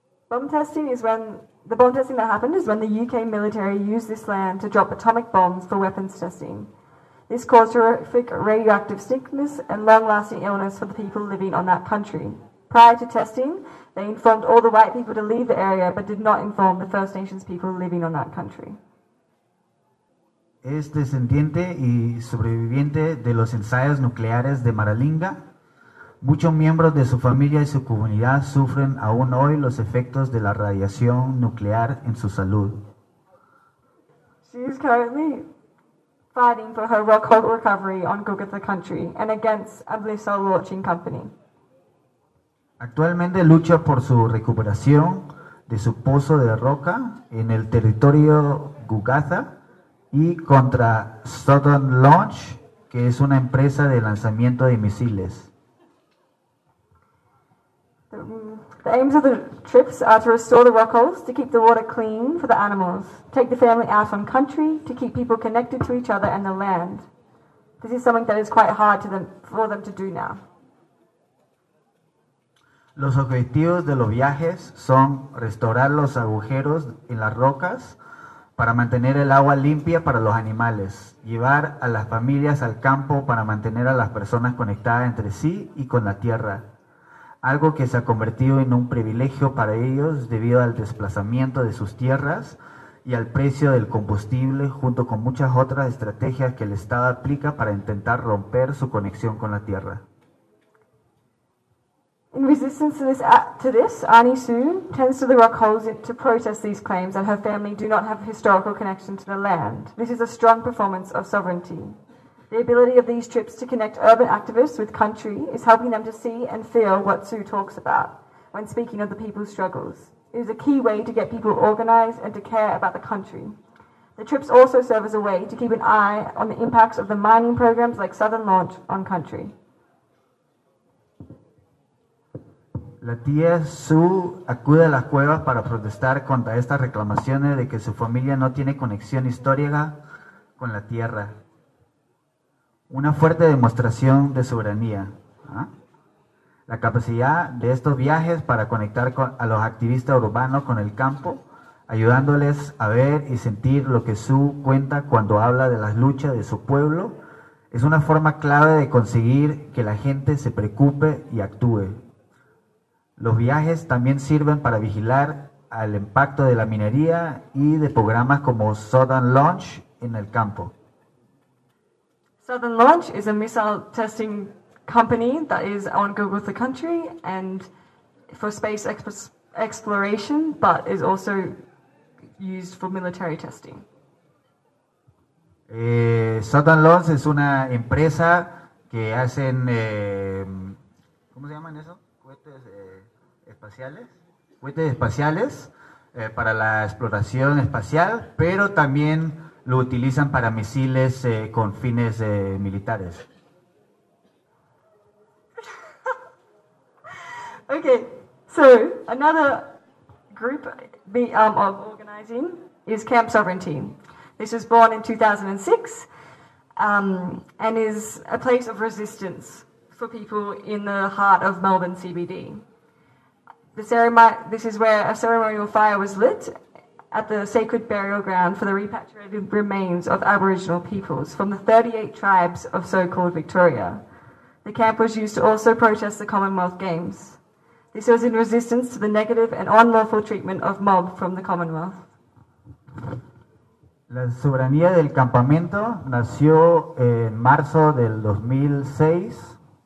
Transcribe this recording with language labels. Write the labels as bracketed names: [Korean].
[English] The bomb testing that happened is when the UK military used this land to drop atomic bombs for weapons testing. This caused horrific radioactive sickness and long-lasting illness for the people living on that country. Prior to testing, they informed all the white people to leave the area, but did not inform the First Nations people living on that country. [Spanish] Es descendiente y sobreviviente de los ensayos nucleares de Maralinga. Muchos miembros de su familia y su comunidad sufren aún hoy los efectos de la radiación nuclear en su salud. [English] She is currently fighting for her rock hold recovery on Gugutha country and against a Blissol launching company. [Spanish] Actualmente lucha por su recuperación de su pozo de roca en el territorio Gugutha y contra Southern Launch, que es una empresa de lanzamiento de misiles. [English] The aims of the trips are to restore the rock holes, to keep the water clean for the animals, take the family out on country, to keep people connected to each other and the land. This is something that is quite hard for them to do now. Los objetivos de los viajes son restaurar los agujeros en las rocas para mantener el agua limpia para los animales, llevar a las familias al campo para mantener a las personas conectadas entre sí y con la tierra, algo que se ha convertido en un privilegio para ellos debido al desplazamiento de sus tierras y al precio del combustible, junto con muchas otras estrategias que el Estado aplica para intentar romper su conexión con la tierra. In resistance to this, Annie Sue tends to the rock holes to protest these claims that her family do not have a historical connection to the land. This is a strong performance of sovereignty. The ability of these trips to connect urban activists with country is helping them to see and feel what Sue talks about when speaking of the people's struggles. It is a key way to get people organized and to care about the country. The trips also serve as a way to keep an eye on the impacts of the mining programs like Southern Launch on country. [Spanish] La tía Sue acude a las cuevas para protestar contra estas reclamaciones de que su familia no tiene conexión histórica con la tierra. Una fuerte demostración de soberanía. ¿Ah? La capacidad de estos viajes para conectar a los activistas urbanos con el campo, ayudándoles a ver y sentir lo que Sue cuenta cuando habla de las luchas de su pueblo, es una forma clave de conseguir que la gente se preocupe y actúe. Los viajes también sirven para vigilar al impacto de la minería y de programas como Southern Launch en el campo. [English] Southern Launch is a missile testing company that is on Gugutha country and for space exploration, but is also used for military testing. [Spanish] Southern Launch es una empresa que hacen ¿cómo se llaman eso? Cohetes espaciales para la exploración espacial, pero también lo utilizan para misiles con fines militares. [English] Okay, so another group of organizing is Camp Sovereignty. This was born in 2006 and is a place of resistance for people in the heart of Melbourne CBD. This is where a ceremonial fire was lit at the sacred burial ground for the repatriated remains of Aboriginal peoples from the 38 tribes of so-called Victoria. The camp was used to also protest the Commonwealth Games. This was in resistance to the negative and unlawful treatment of mob from the Commonwealth. [Spanish] La soberanía del campamento nació en marzo del 2006.